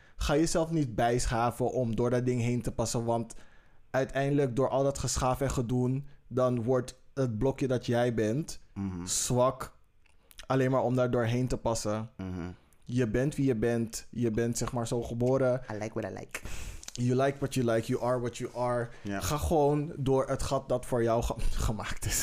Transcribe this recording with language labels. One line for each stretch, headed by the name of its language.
Dutch: Ga jezelf niet bijschaven om door dat ding heen te passen. Want uiteindelijk, door al dat geschaaf en gedoen, dan wordt het blokje dat jij bent, mm-hmm, zwak. Alleen maar om daar doorheen te passen. Mm-hmm. Je bent wie je bent. Je bent, zeg maar, zo geboren.
English: I like what I like. You like what you like. You are what you are. Yeah.
Dutch: Ga gewoon door het gat dat voor jou gemaakt is.